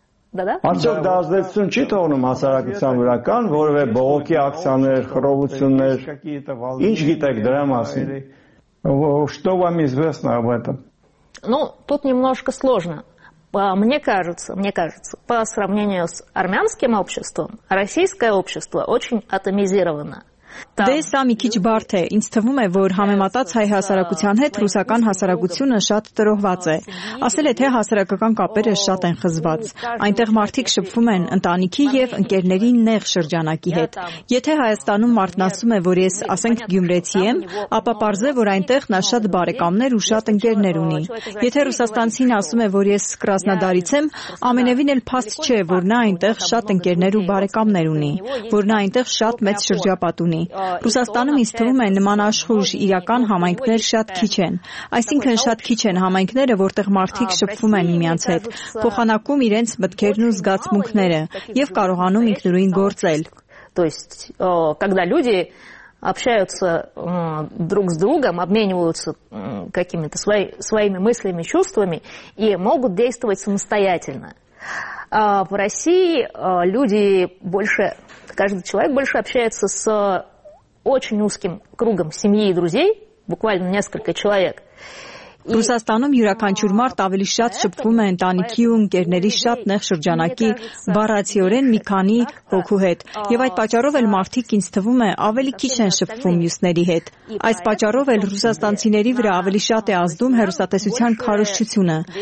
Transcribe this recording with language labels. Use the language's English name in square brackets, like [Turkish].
[Armenian] Արդյոք դաշնություն չի թողնում հասարակության վրա, կան որևէ բողոքի ակցիաներ, խռովություններ, ինչ գիտեք դրա մասին, [Russian] что вам известно об этом? Ну, тут немножко сложно. Мне кажется, по сравнению с армянским обществом, российское общество очень атомизировано. [Armenian] Դե սա մի քիչ բարդ է, ինձ թվում է, որ համեմատած հայ հասարակության հետ ռուսական հասարակությունը շատ տրոհված է, ասել է, թե հասարակական կապերը շատ են խզված, այնտեղ մարդիկ շփվում են ընտանիքի և ընկերների նեղ շրջանակի հետ, եթե Հայաստանում մարդն ասում է, որ ես, ասենք, գյումրեցի եմ, ապա պարզ է, որ այնտեղ նա շատ բարեկամներ ու շատ ընկերներ ունի, եթե ռուսաստանցին ասում է, որ ես Կրասնադարից եմ, ամենևին էլ փաստ չէ, որ նա այնտեղ շատ ընկերներ ու բարեկամներ ունի, որ նա այնտեղ շատ մեծ շրջապատ ունի. Ռուսաստանում ինձ թվում է նման աշխույժ իրական համայնքներ շատ քիչ են, այսինքն շատ քիչ են համայնքները, որտեղ մարդիկ շփվում են միմյանց հետ, փոխանակում իրենց մտքերն ու զգացմունքները եւ կարողանում ինքնուրույն գործել, [Russian] то есть когда люди общаются друг с другом, обмениваются какими-то своими мыслями, чувствами и могут действовать самостоятельно. В России люди больше, каждый человек больше общается с очень узким кругом семьи и друзей, буквально несколько человек. [Armenian] Ռուսաստանում յուրաքանչյուր մարդ ավելի շատ շփվում է ընտանիքի ու ընկերների շատ նեղ շրջանակի բառացիորեն մի քանի հոգու հետ, եւ այդ պատճառով էլ մարդիկ ինձ թվում է ավելի քիչ են շփվում մյուսների հետ, այս պատճառով էլ ռուսաստանցիների վրա ավելի շատ է ազդում հեռուստատեսության քարոշչությունը,